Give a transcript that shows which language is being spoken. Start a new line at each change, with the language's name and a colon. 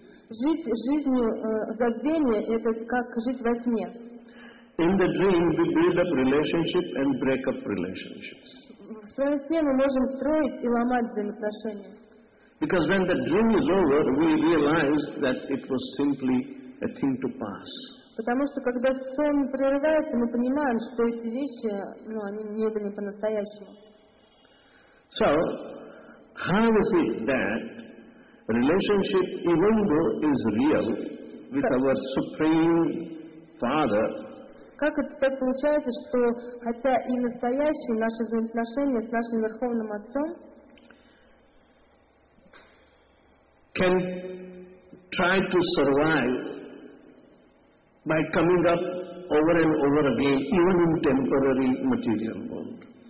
Russian: Жить жизнью забвения — это как жить во сне.
English: In the dream, we build up relationship and break up relationships.
Russian: В своем сне мы можем строить и ломать взаимоотношения.
English: Because when the dream is over, we realize that it was simply a thing to pass.
Russian: Потому что когда сон прерывается, мы понимаем, что эти вещи, ну, они не были по-настоящему.
English: So, how is it that relationship, even though is real, with our Supreme Father?
Russian: Как это так получается, что хотя и настоящие наши взаимоотношения с нашим Верховным Отцом
English: can try to survive by coming up over and over again, even in temporary material world?